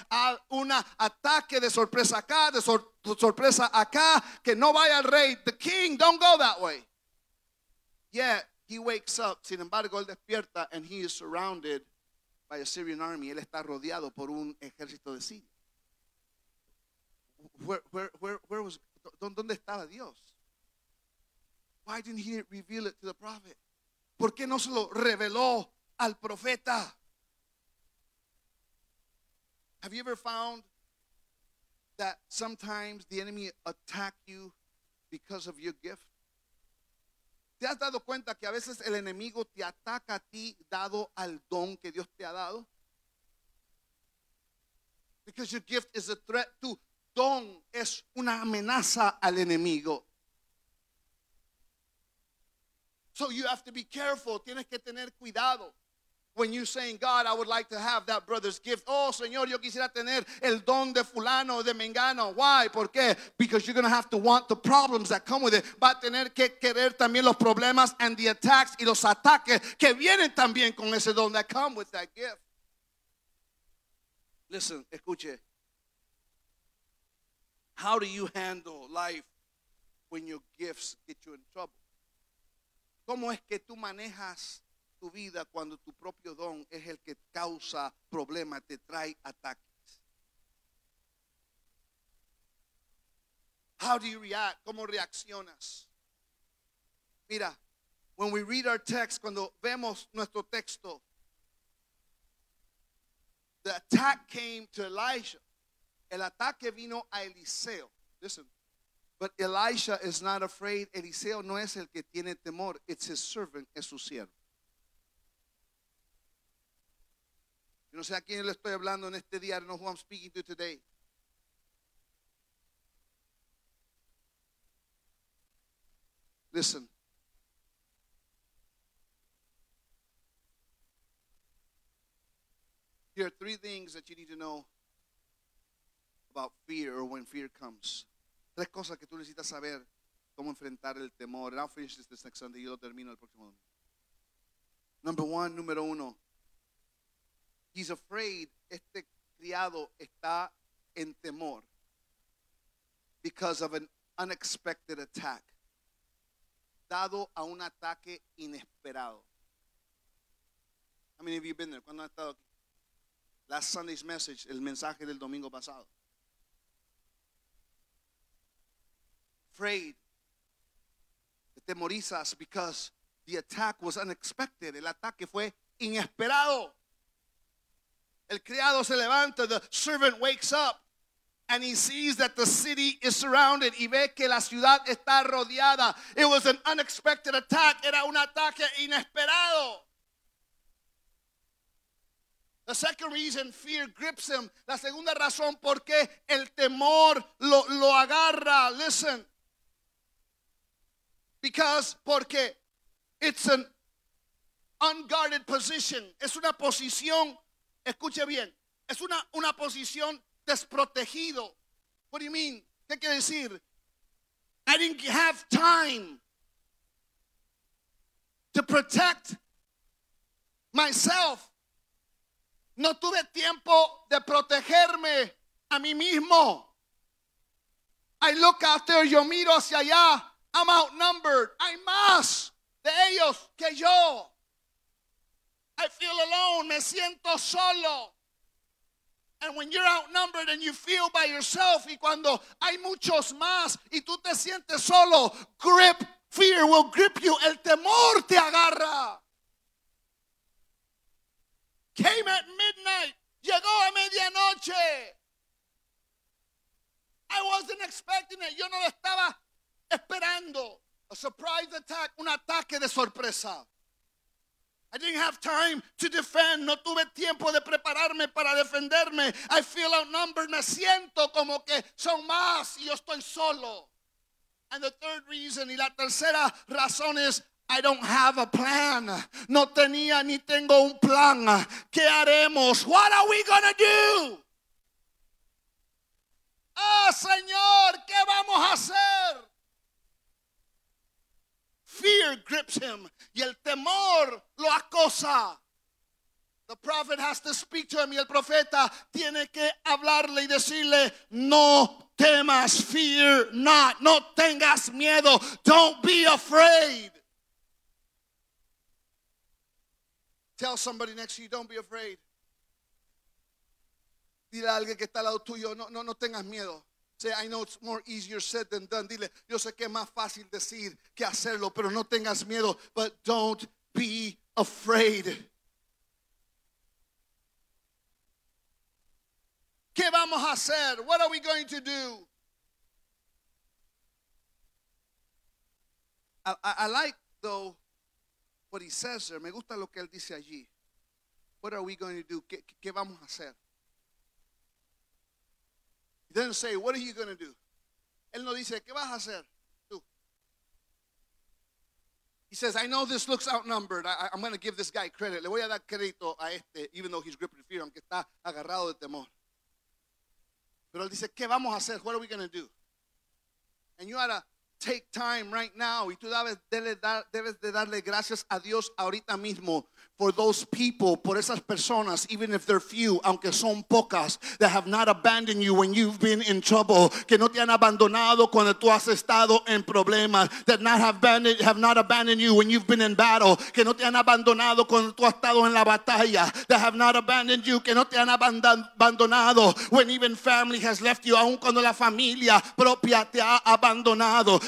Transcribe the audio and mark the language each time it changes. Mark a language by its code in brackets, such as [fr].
[es] Hay un ataque de sorpresa acá. De sorpresa acá. Que no vaya el rey. [en] The king. Don't go that way. Yet he wakes up. [es] Sin embargo, él despierta. [en] And he is surrounded by a Syrian army. [es] Él está rodeado por un ejército de Siria. [en] Where was, [es] ¿dónde estaba Dios? [en] Why didn't he reveal it to the prophet? [es] ¿Por qué no se lo reveló al profeta? [en] Have you ever found that sometimes the enemy attack you because of your gift? [es] ¿Te has dado cuenta que a veces el enemigo te ataca a ti dado al don que Dios te ha dado? [en] Because your gift is a threat to. [es] Don es una amenaza al enemigo. [en] So you have to be careful. [es] Tienes que tener cuidado. [en] When you're saying, God, I would like to have that brother's gift. [es] Oh, Señor, yo quisiera tener el don de fulano, de mengano. [en] Why? [es] ¿Por qué? [en] Because you're going to have to want the problems that come with it. [es] Va a tener que querer también los problemas [en] and the attacks [es] y los ataques que vienen también con ese don [en] that come with that gift. Listen, [es] escuche. [en] How do you handle life when your gifts get you in trouble? [es] ¿Cómo es que tú manejas tu vida cuando tu propio don es el que causa problemas, te trae ataques? [en] How do you react? [es] ¿Cómo reaccionas? Mira, [en] when we read our text, [es] cuando vemos nuestro texto, [en] the attack came to Elijah. [es] El ataque vino a Eliseo. [en] Listen. But Elisha is not afraid. [es] Eliseo no es el que tiene temor. [en] It's his servant. [es] Es su siervo. Yo no sé a quién le estoy hablando en este día. [en] I don't know who I'm speaking to today. Listen. Here are three things that you need to know about fear or when fear comes. [es] Tres cosas que tú necesitas saber cómo enfrentar el temor. [en] And I'll finish this next Sunday. [es] Yo lo termino el próximo domingo. [en] Number one, [es] número uno. [en] He's afraid. [es] Este criado está en temor [en] because of an unexpected attack. [es] Dado a un ataque inesperado. [en] How many of you have been there? [es] ¿Cuándo has estado aquí? [en] Last Sunday's message, [es] el mensaje del domingo pasado. [en] Afraid. [es] Te temorizas [en] because the attack was unexpected. [es] El ataque fue inesperado. El criado se levanta. [en] The servant wakes up. And he sees that the city is surrounded. [es] Y ve que la ciudad está rodeada. [en] It was an unexpected attack. [es] Era un ataque inesperado. [en] The second reason fear grips him. [es] La segunda razón por qué el temor lo agarra. [en] Listen. Because, [es] porque [en] it's an unguarded position. [es] Es una posición, escuche bien, es una posición desprotegido. [en] What do you mean? [es] ¿Qué quiere decir? [en] I didn't have time to protect myself. [es] No tuve tiempo de protegerme a mí mismo. [en] I look out there, [es] yo miro hacia allá. [en] I'm outnumbered. [es] Hay más de ellos que yo. [en] I feel alone. [es] Me siento solo. [en] And when you're outnumbered and you feel by yourself, [es] y cuando hay muchos más y tú te sientes solo, [en] fear will grip you. [es] El temor te agarra. [en] Came at midnight. [es] Llegó a medianoche. [en] I wasn't expecting it. [es] Yo no lo estaba esperando. [en] A surprise attack. [es] Un ataque de sorpresa. [en] I didn't have time to defend. [es] No tuve tiempo de prepararme para defenderme. [en] I feel outnumbered. [es] Me siento como que son más y yo estoy solo. [en] And the third reason, [es] y la tercera razón es, [en] I don't have a plan. [es] No tenía ni tengo un plan. ¿Qué haremos? [en] What are we going to do? [es] Ah, Señor, ¿qué vamos a hacer? [en] Fear grips him. [es] Y el temor lo acosa. [en] The prophet has to speak to him. [es] Y el profeta tiene que hablarle y decirle, no temas, [en] fear not. [es] No tengas miedo. [en] Don't be afraid. Tell somebody next to you, don't be afraid. [es] Dile a alguien que está al lado tuyo, no tengas miedo. [en] Say, I know it's more easier said than done. [es] Dile, yo sé que es más fácil decir que hacerlo, pero no tengas miedo. [en] But don't be afraid. [es] ¿Qué vamos a hacer? [en] What are we going to do? I like, though, what he says there. [es] Me gusta lo que él dice allí. [en] What are we going to do? [es] ¿Qué vamos a hacer? [en] He doesn't say, what are you going to do? [es] Él no dice, ¿qué vas a hacer tú? [en] He says, I know this looks outnumbered. I'm going to give this guy credit. [es] Le voy a dar crédito a este, [en] even though he's gripping fear, [es] aunque está agarrado de temor. Pero él dice, ¿qué vamos a hacer? [en] What are we going to do? And you ought to take time right now. [es] Y tú debes de darle gracias a Dios ahorita mismo. [en] For those people, [es] por esas personas, [en] even if they're few, [es] aunque son pocas, [en] that have not abandoned you when you've been in trouble, [es] que no te han abandonado cuando tú has estado en problemas, [en] that have not abandoned you when you've been in battle, [es] que no te han abandonado cuando tú has estado en la batalla, [en] that have not abandoned you, [es] que no te han abandonado [en] when even family has left you, [es] aun cuando la familia propia te ha abandonado.